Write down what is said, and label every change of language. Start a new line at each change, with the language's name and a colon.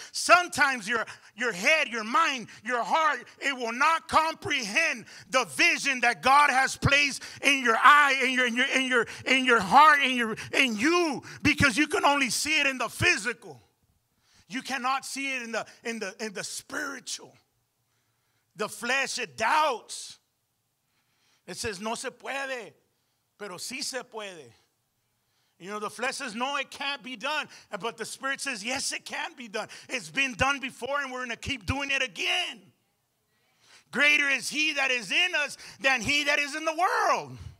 English: Sometimes your head, your mind, your heart, it will not comprehend the vision that God has placed in your eye, in your heart, in you, because you can only see it in the physical. You cannot see it in the spiritual. The flesh, it doubts. It says,
Spanish: no se puede, pero sí se puede.
English: You know, the flesh says, no, it can't be done. But the spirit says, yes, it can be done. It's been done before, and we're going to keep doing it again. Greater is he that is in us than he that is in the world.